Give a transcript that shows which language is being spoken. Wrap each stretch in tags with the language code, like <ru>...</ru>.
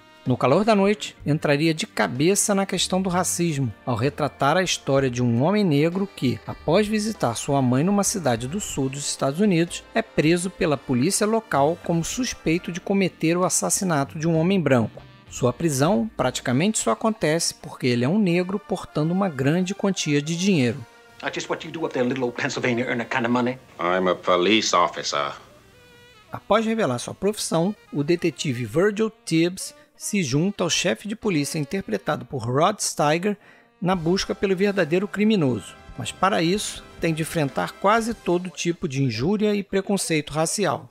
<pt>No Calor da Noite, entraria de cabeça na questão do racismo, ao retratar a história de um homem negro que, após visitar sua mãe numa cidade do sul dos Estados Unidos, é preso pela polícia local como suspeito de cometer o assassinato de um homem branco. Sua prisão praticamente só acontece porque ele é um negro portando uma grande quantia de dinheiro.</pt> <en>Just what you do up there, little old Pennsylvania, earn that kind of money? I'm a police officer.</en> <pt>Após revelar sua profissão, o detetive Virgil Tibbs se junta ao chefe de polícia interpretado por Rod Steiger na busca pelo verdadeiro criminoso, mas para isso tem de enfrentar quase todo tipo de injúria e preconceito racial.</pt>